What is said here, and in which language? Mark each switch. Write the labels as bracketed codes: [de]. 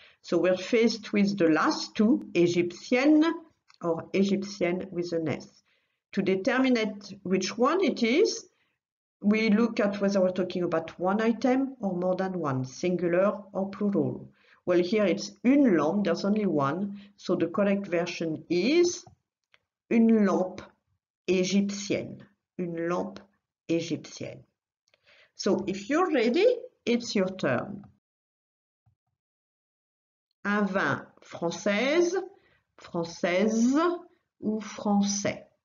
[en] So we're faced with the last two, égyptienne or égyptienne with an S. To determine which one it is, we look at whether we're talking about one item or more than one, singular or plural. Well, here it's [fr] une lampe, [en] there's only one. So the correct version is [fr] une lampe égyptienne, une lampe égyptienne. [en] So if you're ready, it's your turn. [fr] Un vin française, française ou français.